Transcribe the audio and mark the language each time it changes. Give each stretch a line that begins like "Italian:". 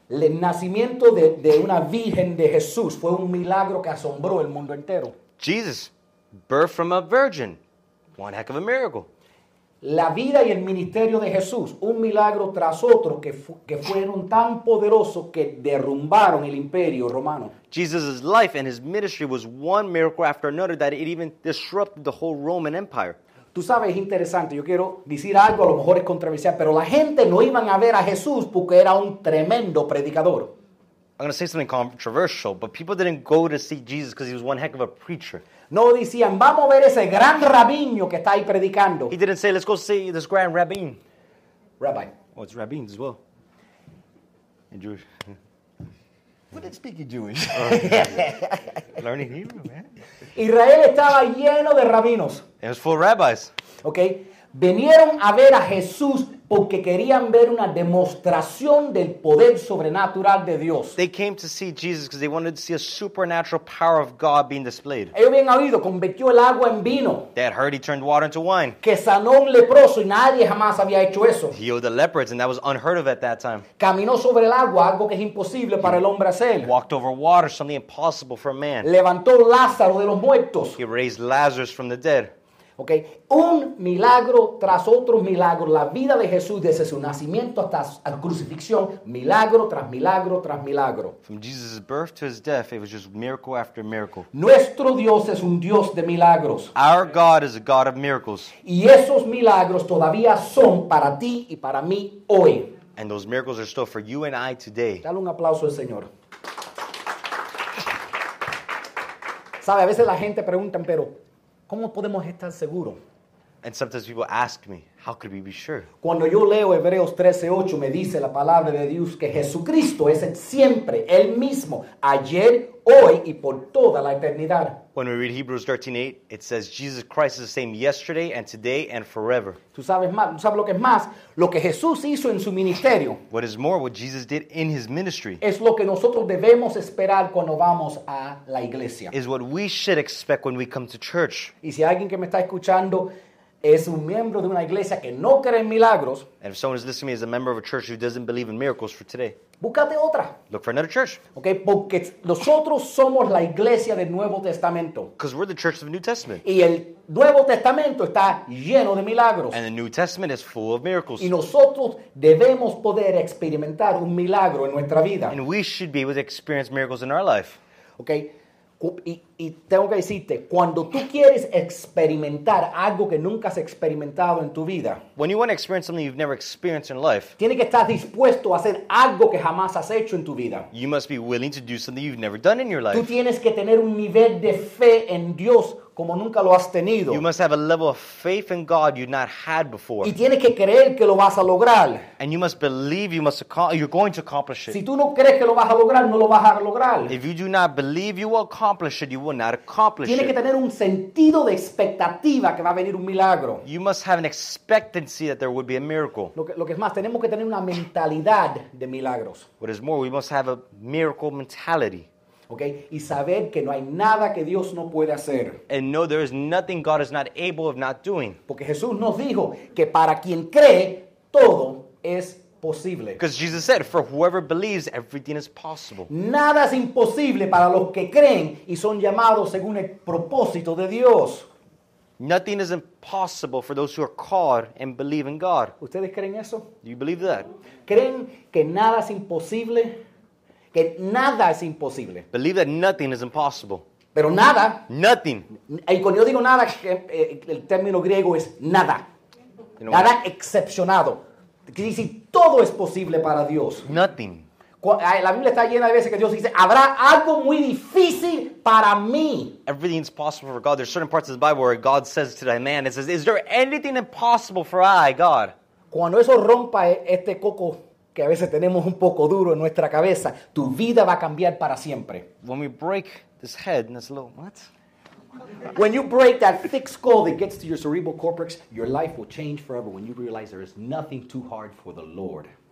Spanish: El nacimiento de una virgen de Jesús fue un milagro que asombró el mundo entero.
English: Jesus, birth from a virgin. One heck of a miracle.
Spanish: La vida y el ministerio de Jesús, un milagro tras otro que fueron tan poderosos que derrumbaron el imperio romano.
English: Jesus' life and his ministry was one miracle after another that it even disrupted the whole Roman Empire.
Spanish: Tú sabes, es interesante, yo quiero decir algo, a lo mejor es controversial, pero la gente no iban a ver a Jesús porque era un tremendo predicador.
English: I'm going to say something controversial, but people didn't go to see Jesus because he was one heck of a preacher.
Spanish: No decían, vamos a ver ese gran rabino que está ahí predicando.
English: He didn't say, let's go see this grand rabbin. Rabbi. Oh, it's rabbin as well. In Jewish. We didn't speak in Jewish. Learning Hebrew, man.
Spanish: Israel estaba lleno de rabinos.
English: It was full of rabbis. Okay.
Spanish: Vinieron a ver a Jesús porque querían ver una demostración del poder sobrenatural de Dios.
English: They came to see Jesus because they wanted to see a supernatural power of God being displayed.
Spanish: Ellos habían oído, convirtió el agua en vino.
English: They had heard he turned water into wine.
Spanish: Que sanó un leproso y nadie jamás había hecho eso.
English: He healed the leopards and that was unheard of at that time.
Spanish: Caminó sobre el agua, algo que es imposible para el hombre hacer.
English: Walked over water, something impossible for a man.
Spanish: Levantó Lázaro de los muertos.
English: He raised Lazarus from the dead.
Spanish: Okay. Un milagro tras otro milagro. La vida de Jesús desde su nacimiento hasta la crucifixión. Milagro tras milagro tras milagro.
English: From Jesus' birth to his death, it was just miracle after miracle.
Spanish: Nuestro Dios es un Dios de milagros.
English: Our God is a God of miracles.
Spanish: Y esos milagros todavía son para ti y para mí hoy.
English: And those miracles are still for you and I today.
Spanish: Dale un aplauso al Señor. Sabe, a veces la gente pregunta, pero... ¿cómo podemos estar seguros?
English: And sometimes people ask me, how could we be sure?
Spanish: Cuando yo leo Hebreos 13:8, me dice la palabra de Dios que Jesucristo es siempre el mismo, ayer, hoy y por toda la eternidad.
English: When we read Hebrews 13:8, it says Jesus Christ is the same yesterday and today and forever.
Spanish: Tú sabes más, tú sabes lo que es más, lo que Jesús hizo en su ministerio.
English: What is more, what Jesus did in his ministry.
Spanish: Es lo que nosotros debemos esperar cuando vamos a la iglesia.
English: Is what we should expect when we come to church.
Spanish: Y si alguien que me está escuchando es un miembro de una iglesia que no cree en milagros.
English: And if someone is listening to me as a member of a church who doesn't believe in miracles for today.
Spanish: Búscate otra.
English: Look for another church.
Spanish: Okay, porque nosotros somos la iglesia del Nuevo Testamento.
English: Because we're the church of the New Testament.
Spanish: Y el Nuevo Testamento está lleno de milagros.
English: And the New Testament is full of miracles.
Spanish: Y nosotros debemos poder experimentar un milagro en nuestra vida.
English: And we should be able to experience miracles in our life. Okay.
Spanish: Y tengo que decirte, cuando tú quieres experimentar algo que nunca has experimentado en tu vida,
English: when you want to experience something you've never experienced in life,
Spanish: tienes que estar dispuesto a hacer algo que jamás has hecho en tu vida.
English: You must be willing to do something you've never done in your life.
Spanish: Tú tienes que tener un nivel de fe en Dios como nunca lo has tenido.
English: You must have a level of faith in God you've not had before.
Spanish: Y tienes que creer que lo vas a lograr.
English: And you must believe you're going to accomplish it.
Spanish: Si tú no crees que lo vas a lograr, no lo vas a lograr.
English: If you do not believe you will accomplish it, you will not accomplish
Spanish: it. Tienes que tener un sentido de expectativa que va a venir un milagro.
English: You must have an expectancy that there would be a miracle.
Spanish: Lo que es más, tenemos que tener una mentalidad de milagros.
English: What is more, we must have a miracle mentality.
Spanish: Okay, y saber que no hay nada que Dios no puede hacer.
English: And no, there is nothing God is not able of not doing.
Spanish: Porque Jesús nos dijo que para quien cree, todo es posible.
English: Because Jesus said, for whoever believes, everything is possible.
Spanish: Nada es imposible para los que creen y son llamados según el propósito de Dios.
English: Nothing is impossible for those who are called and believe in God.
Spanish: ¿Ustedes creen eso?
English: Do you believe that?
Spanish: ¿Creen que nada es imposible? Que nada es imposible.
English: Believe that nothing is impossible.
Spanish: Pero nada.
English: Nothing.
Spanish: Y cuando yo digo nada, el término griego es nada.
English: You know,
Spanish: nada what? Excepcionado. Quiere decir, todo es posible para Dios.
English: Nothing.
Spanish: La Biblia está llena de veces que Dios dice, habrá algo muy difícil para mí.
English: Everything is possible for God. There's certain parts of the Bible where God says to that man, it says, is there anything impossible for I, God?
Spanish: Cuando eso rompa este coco que a veces tenemos un poco duro en nuestra cabeza, tu vida va a cambiar para siempre.
English: When we break this head and this little, what? When you break that thick skull that gets to your cerebral cortex, your life will change forever when you realize there is nothing too hard for the Lord.